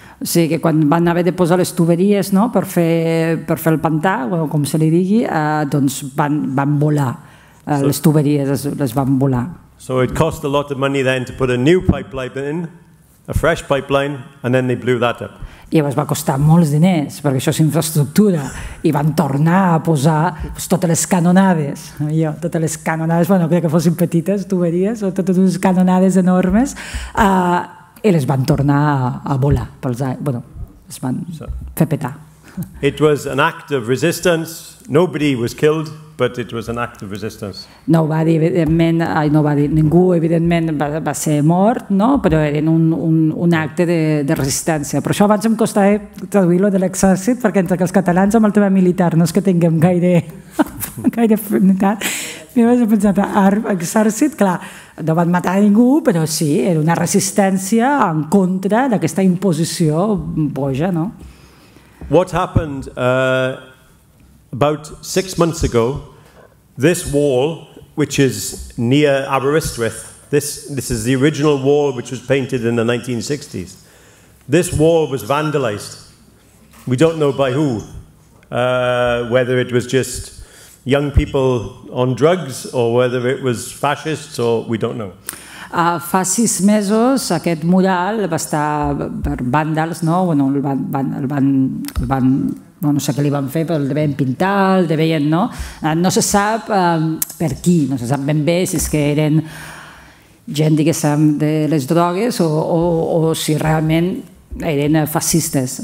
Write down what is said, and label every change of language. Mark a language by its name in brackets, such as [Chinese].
[Catalan] O sigui, que quan van haver de posar les tuberies, no?, per fer el pantà, o com se li digui, doncs van volar, les tuberies les van volar. [English] So it cost a lot of money then to put a new pipeline in, a fresh pipeline, and then they blew that up. [Catalan] I llavors va costar molts diners, perquè això és infraestructura, i van tornar a posar totes les canonades, bueno, crec que fossin petites, tuberies, o totes unes canonades enormes, i les van tornar a volar, es van fer petar. [English] It was an act of resistance, nobody was killed, but it was an act of resistance. [Catalan] Ningú evidentment va ser mort, no? Però era un acte de resistència. Però això abans em costava traduir-lo de l'exèrcit, perquè entre que els catalans amb el tema militar no és que tinguem gaire afinitat, I llavors he pensat, exèrcit, clar, no van matar ningú, però sí, era una resistència en contra d'aquesta imposició boja, no? [English] What happened about 6 months ago, this wall, which is near Aberystwyth, this is the original wall which was painted in the 1960s. This wall was vandalized. We don't know by who, whether it was just young people on drugs or whether it was fascists, or we don't know. [Catalan] Fa 6 mesos aquest mural va estar per vàndals, no? Bueno, el van no, no sé què li van fer, però el deien pintar, el deien, no? No se sap per qui, no se sap ben bé si és que eren gent, diguéssim, de les drogues o si realment eren fascistes.